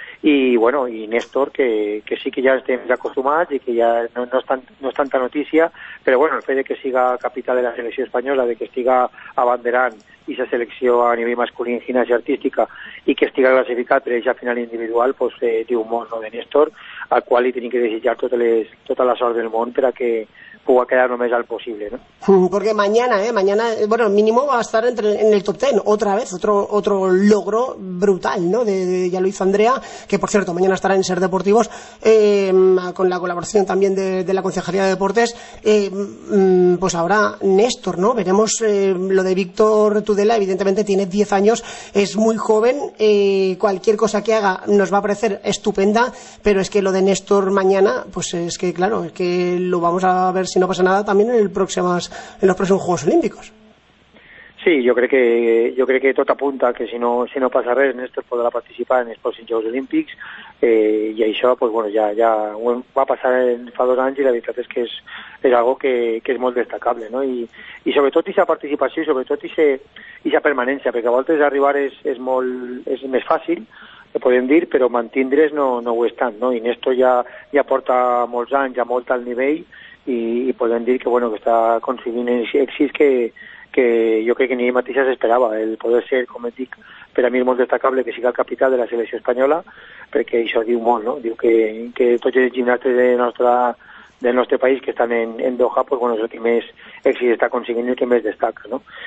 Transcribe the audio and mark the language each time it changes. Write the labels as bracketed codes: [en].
[ca] i bueno, i Néstor que sí que ja estem acostumats i que ja no és tanta notícia, però bueno, el fet de que siga capital de la selecció espanyola, de que estiga abanderant aquesta selecció a nivell masculí en gimnàstica artística i que estiga classificat per aquesta final individual, pues diu molt, no?, de Néstor, al qual li tenim que desitjar tota la sort del món perquè pugui quedar només al possible, no? [es] Perquè mañana, bueno, mínimo va a estar en el top 10, otra vez, otro logro brutal, ¿no? Ya lo hizo Andrea, que por cierto, mañana estará en Ser Deportivos, con la colaboración también de la Concejalía de Deportes. Pues ahora Néstor, ¿no? Veremos lo de Víctor Tudela, evidentemente tiene 10 años, es muy joven, cualquier cosa que haga nos va a parecer estupenda, pero es que lo de Néstor mañana, pues es que claro, es que lo vamos a ver si no pasa nada también en los próximos Juegos Olímpicos. [ca] Sí, [es] yo creo que [ca] tot apunta que si no passa res, Néstor podrà participar en els pròxims Jocs Olímpics, i això, pues bueno, ja va passar fa dos anys, i la veritat és que és algo que és molt destacable, no? I sobretot aquesta participació, i sobretot aquesta permanència, perquè a vegades arribar és més fàcil, podem dir, però mantindre's no ho és tant, no? I Néstor ja porta molts anys, ja molt alt nivell, [es] y pueden decir que bueno, que está consiguiendo éxitos que yo creo que ni Matías esperaba el poder ser como Dick, pero a mí es muy destacable que siga el capital de la selección española, porque eso dio un mon, ¿no? Digo que todos los gimnastas de nuestro país que están en Doha, pues bueno, es el que más éxito está consiguiendo y el que más destaca, ¿no?